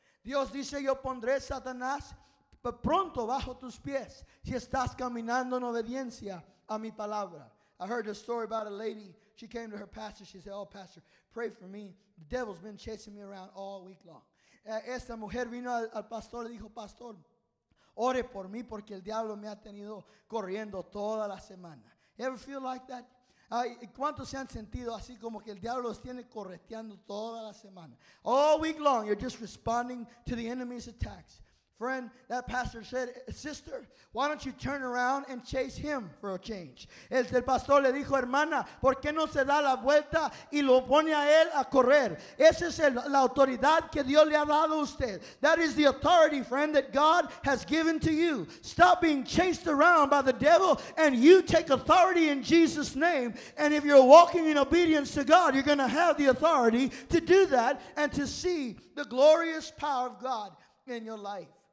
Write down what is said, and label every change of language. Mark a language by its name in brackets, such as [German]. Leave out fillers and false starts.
[Spanish] Dios dice, yo pondré Satanás pronto bajo tus pies si estás caminando en obediencia a mi palabra. [English] I heard a story about a lady. She came to her pastor. She said, oh, pastor, pray for me. The devil's been chasing me around all week long. [Spanish] Esta mujer vino al pastor y dijo, pastor, ore por mí porque el diablo me ha tenido corriendo toda la semana. [English] You ever feel like that? [Spanish] ¿Cuántos se han sentido así como que el diablo los tiene correteando toda la semana? [English] All week long, you're just responding to the enemy's attacks. Friend, that pastor said, sister, why don't you turn around and chase him for a change? [Spanish] El pastor le dijo, hermana, ¿por qué no se da la vuelta y lo pone a él a correr? Esa es la autoridad que Dios le ha dado a usted. [English] That is the authority, friend, that God has given to you. Stop being chased around by the devil and you take authority in Jesus' name. And if you're walking in obedience to God, you're going to have the authority to do that and to see the glorious power of God in your life.